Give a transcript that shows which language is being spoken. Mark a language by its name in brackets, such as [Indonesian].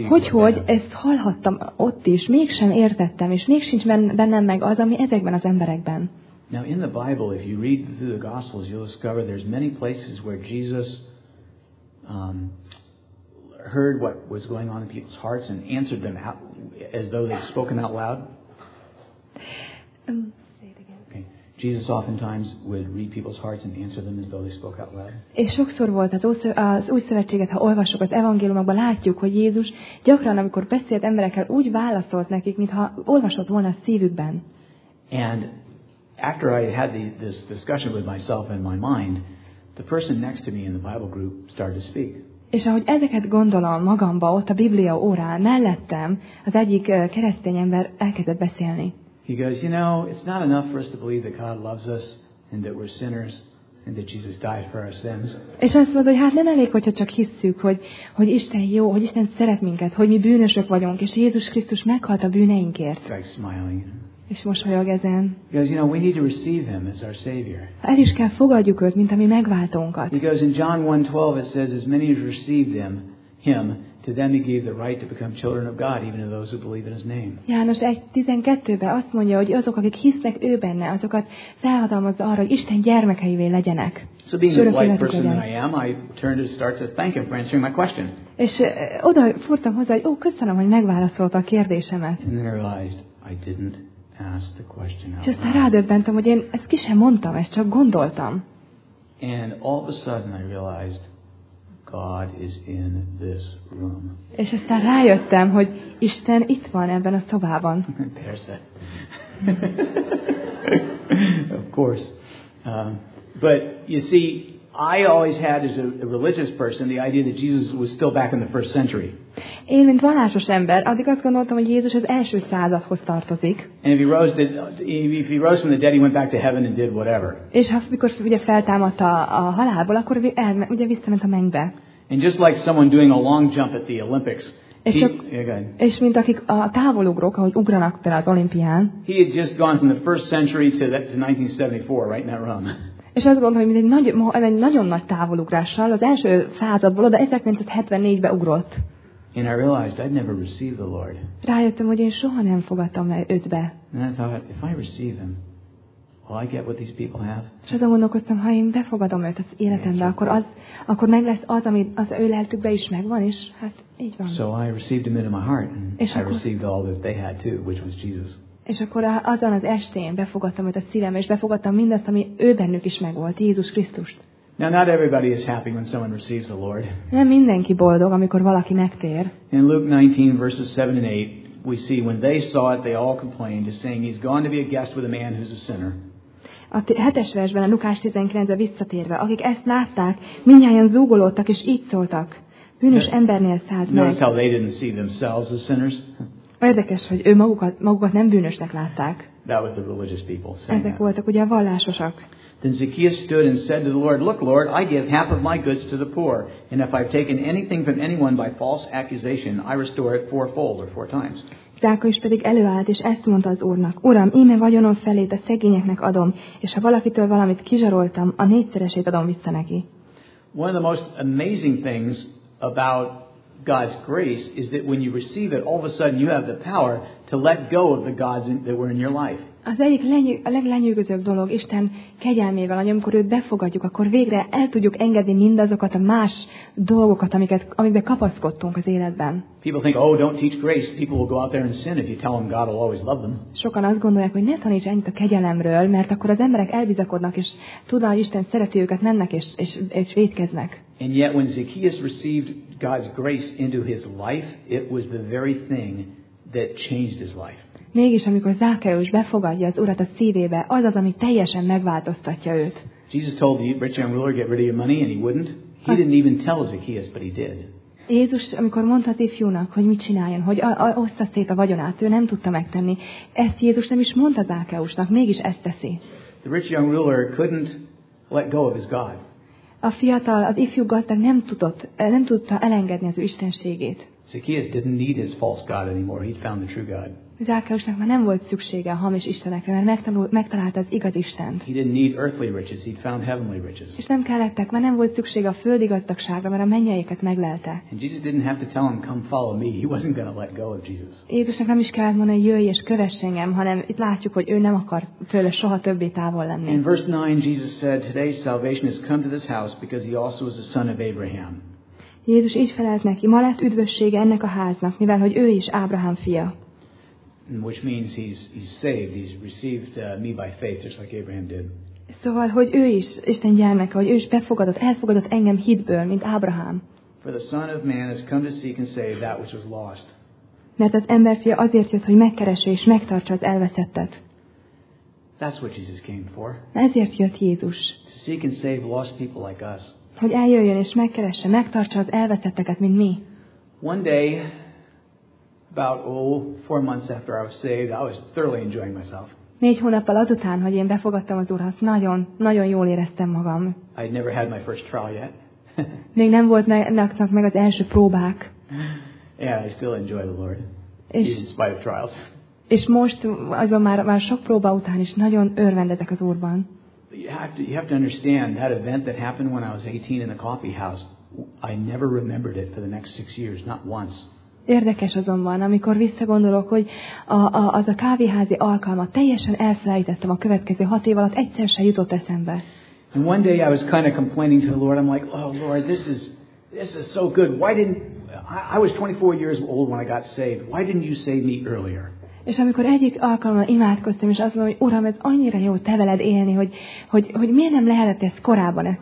[Hungarian] Hogy ezt hallhattam ott is, mégsem értettem, és még sincs bennem meg az, ami ezekben az emberekben. [English] Now in the Bible, if you read through the Gospels, you'll discover there's many places where Jesus heard what was going on in people's hearts and answered them as though they'd spoken out loud. Jesus oftentimes would read people's hearts and answer them as though they spoke out loud. [Hungarian] És sokszor volt az új szövetséget, ha olvassuk az evangéliumokban, látjuk, hogy Jézus gyakran, amikor beszélt emberekkel, úgy válaszolt nekik, mintha olvasott volna a szívükben. [English] And after I had this discussion with myself and my mind, the person next to me in the Bible group started to speak. [Hungarian] És ahogy ezeket gondolom magamba, ott a Biblia órán mellettem, az egyik keresztény ember elkezdett beszélni. [English] He goes, you know, it's not enough for us to believe that God loves us and that we're sinners and that Jesus died for our sins. [Hungarian] És azt mondod, hogy hát nem elég, hogyha csak hisszük, hogy Isten jó, hogy Isten szeret minket, hogy mi bűnösök vagyunk, és Jézus Krisztus meghalt a bűneinkért. [English] Like smiling. [Hungarian] És mosolyog ezen. [English] He goes, you know, we need to receive him as our savior. [Hungarian] El is kell fogadjuk őt, mint a mi megváltónkat. [English] He goes, in John 1:12 it says, as many as received him, to them he gave the right to become children of God, even to those who believe in his name. [Hungarian] János 1:12-ben azt mondja, hogy azok, akik hisznek ő benne, azokat felhatalmazza arra, hogy Isten gyermekeivé legyenek. [English] So being the white person that I am, I turned to start to thank him for answering my question. [Hungarian] És oda furtam hozzá, hogy ó, köszönöm, hogy megválaszolta a kérdésemet. [English] And then I realized I didn't ask the question. [Hungarian] És aztán rádöbbentem, hogy én ezt ki sem mondtam, ezt csak gondoltam. [English] And all of a sudden I realized God is in this room. [Hungarian] És aztán rájöttem, hogy Isten itt van ebben a szobában. Persze. [English] Of course. But you see, I always had as a religious person the idea that Jesus was still back in the first century. [Hungarian] Én mint vallásos ember, addig azt gondoltam, hogy Jézus az első századhoz tartozik. [English] And if he rose from the dead, he went back to heaven and did whatever. [Hungarian] És ha mikor ugye feltámadt a halálból, akkor ugye visszament a mennybe. [English] And just like someone doing a long jump at the Olympics. [Hungarian] És mint akik a távolugrók, ahogy ugranak például az olimpián. [English] He had just gone from the first century to 1974, right in that room. [Hungarian] És azt gondolom, hogy egy nagyon nagy távolugrással az első századból oda 1974-be ugrott. [English] And I realized I'd never received the Lord. [Hungarian] Rájöttem, hogy én soha nem fogadtam el őt be. [English] And I thought, if I receive him, will I get what these people have? [Hungarian] És azon gondolkoztam, ha én befogadom őt az életembe, akkor meg lesz az, amit az ő lelkükbe is megvan, és hát így van. [English] So I received him into my heart, and I received all that they had too, which was Jesus. [Hungarian] És akkor azon az estén befogadtam őt a szívembe, és befogadtam mindazt, ami ő bennük is megvolt, Jézus Krisztust. [English] Now not everybody is happy when someone receives the Lord. [Hungarian] Nem mindenki boldog, amikor valaki megtér. [English] In Luke 19 verses 7 and 8, we see when they saw it, they all complained, saying, "He's gone to be a guest with a man who's a sinner." [Hungarian] A 7-es versben, a Lukács 19-re visszatérve, akik ezt látták, mindnyájan zúgolódtak és így szóltak: bűnös embernél szállt meg. [English] Notice how they didn't see themselves as sinners. [Hungarian] Érdekes, hogy ő magukat nem bűnösnek látták. [English] That was the religious people saying. [Hungarian] Ezek voltak ugye a vallásosak. [English] Then Zacchaeus stood and said to the Lord, "Look, Lord, I give half of my goods to the poor, and if I've taken anything from anyone by false accusation, I restore it fourfold or four times." [Hungarian] Zacchaeus pedig előállt és ezt mondta az Úrnak: "Uram, íme vagyonom felét a szegényeknek adom, és ha valakitől valamit kizsaroltam, a négyszeresét adom vissza neki." [English] One of the most amazing things about God's grace is that when you receive it, all of a sudden you have the power to let go of the gods that were in your life. [Hungarian] Az egyik leglenyűgözőbb dolog Isten kegyelmével, amikor őt befogadjuk, akkor végre el tudjuk engedni mindazokat a más dolgokat, amikbe kapaszkodtunk az életben. [English] People think, "Oh, don't teach grace. People will go out there and sin if you tell them God will always love them." [Hungarian] Sokan azt gondolják, hogy ne taníts ennyit a kegyelemről, mert akkor az emberek elbizakodnak, és tudva, hogy Isten szereti őket, mennek és vétkeznek. [English] And yet when Zacchaeus received God's grace into his life, it was the very thing that changed his life. [Hungarian] Mégis amikor Zákeus befogadja az Urat a szívébe, az az, ami teljesen megváltoztatja őt. [English] Jesus told the rich young ruler, "Get rid of your money," and he wouldn't. He didn't even tell Zacchaeus, but he did. [Hungarian] Jézus, amikor mondta az ifjúnak, hogy mit csináljon, hogy ossza szét a vagyonát, ő nem tudta megtenni. Ezt Jézus nem is mondta Zákeusnak, mégis ezt teszi. [English] The rich young ruler couldn't let go of his God. [Hungarian] A fiatal, az ifjú gazdag nem tudta elengedni az ő istenségét. [English] Zacchaeus didn't need his false God anymore. He'd found the true God. [Hungarian] Zákeusnak már nem volt szüksége a hamis istenekre, mert megtalálta az igaz Istent. [English] He didn't need earthly riches, he found heavenly riches. [Hungarian] És nem kellettek, már nem volt szüksége a földi gazdagságra, mert a mennyeiket meglelte. [English] And Jesus didn't have to tell him, "Come follow me." He wasn't going to let go of Jesus. [Hungarian] Jézusnak nem is kellett mondani, "Jöjj és kövess engem," hanem itt látjuk, hogy ő nem akar tőle soha többé távol lenni. [English] In verse 9 Jesus said, "Today salvation has come to this house because he also is a son of Abraham." [Hungarian] Jézus így felelt neki: "Ma lett üdvössége ennek a háznak, mivel hogy ő is Ábrahám fia." [English] Which means he's saved, he's received me by faith, just like Abraham did. [Hungarian] Szóval, hogy ő is Isten gyermeke, hogy ő is elfogadott engem hitből, mint Ábrahám. [English] For the Son of Man has come to seek and save that which was lost. [Hungarian] Mert az emberfia azért jött, hogy megkeresse és megtartsa az elveszettet. [English] That's what Jesus came for. [Hungarian] Ezért jött Jézus. [English] He can save lost people like us. [Hungarian] Hogy eljöjjön és megkeresse, megtartsa az elveszetteket, mint mi. [English] One day, about 4 months after I was saved, I was thoroughly enjoying myself. [Hungarian] 4 hónappal azután, hogy én befogadtam az Urat, nagyon, nagyon jól éreztem magam. [English] I had never had my first trial yet. [Hungarian] Még nem volt nekem meg az első próbák. [English] Yeah, I still enjoy the Lord, even in spite of trials. [Hungarian] És most azon már sok próba után is nagyon örvendezek az Úrban. [English] You have to understand that event that happened when I was 18 in the coffee house. I never remembered it for the next 6 years, not once. [Hungarian] Érdekes azonban, amikor visszagondolok, hogy az a kávéházi alkalmat teljesen elfelejtettem a következő 6 év alatt, egyszer sem jutott eszembe. [English] And one day I was kind of complaining to the Lord. I'm like, oh Lord, this is so good. Why didn't I was 24 years old when I got saved. Why didn't you save me earlier? [Hungarian] És amikor egyik alkalommal imádkoztam, és azt mondom, hogy Uram, ez annyira jó te veled élni, hogy miért nem lehetett ez korábban?